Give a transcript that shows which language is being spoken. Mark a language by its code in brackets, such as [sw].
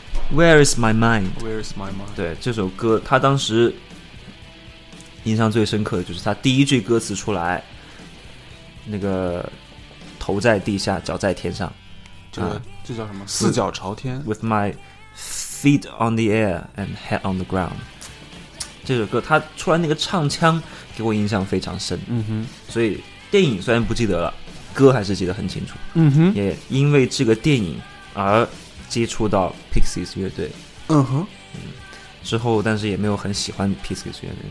[en] Where is my mind? Where is my mind? [zh] 对，这首歌他当时印象最深刻的就是他第一句歌词出来，那个头在地下脚在天上，这叫什么，四脚朝天， [en] With my feet on the air and head on the ground。 [zh] 这首歌他出来那个唱腔给我印象非常深，嗯哼，所以电影虽然不记得了，歌还是记得很清楚，嗯哼，也因为这个电影而接触到 Pixies 乐队，嗯哼，嗯，之后但是也没有很喜欢 Pixies 乐队，